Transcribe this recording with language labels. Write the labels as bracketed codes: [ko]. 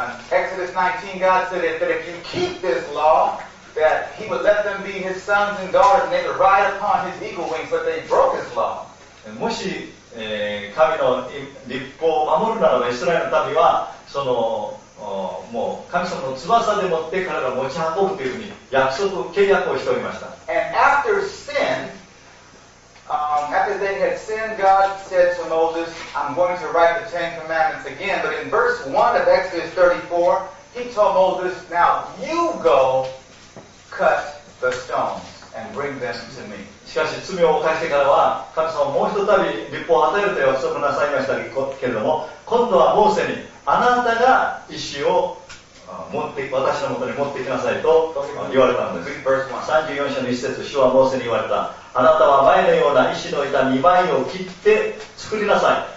[en] Exodus 19, God said that if you keep this law, that He would let them be His sons and daughters, and they would ride upon His eagle wings. But they broke His law. [ja] もし、神の律法を守るならば、イスラエルの民はそのもう神様の翼でもって彼らを持ち運ぶというふうに約束契約をしておりました。 [en] And after sin, after they had sinned, God said to Moses, I'm going to write the Ten Commandments again. But in verse 1 of Exodus 34, He told Moses, Now you go cut the stones and bring them to me. [ja] しかし罪を犯してからは、神様もう一度律法を与えると約束なさいましたけれども、今度はモーセに、あなたが石を持って私のもとに持ってきなさいと言われたのです。 34章の一節、主はモーセに言われた。あなたは前のような石の板2枚を切って作りなさい。